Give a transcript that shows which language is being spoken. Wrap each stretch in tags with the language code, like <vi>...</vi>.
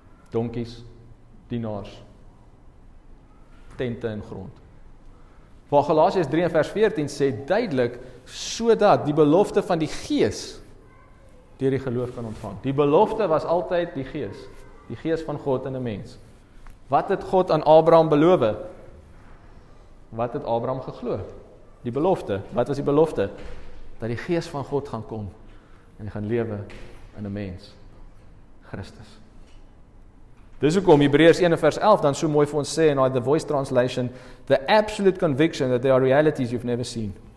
<af>Donkies, dienaars, tente en grond. Waar Galasiërs 3 vers 14 sê duidelik, so dat die belofte van die gees deur die geloof kan ontvang. Die belofte was altyd die gees van God in 'n mens. Wat het God aan Abraham beloof? Wat het Abraham geglo? Die belofte, wat was die belofte? Dat die gees van God gaan kom en gaan lewe in 'n mens, Christus. Dis hoekom Hebreërs 1 vers 11 dan so mooi vir ons sê</af> <en>in the Voice translation, the absolute conviction that there are realities you've never seen.</en>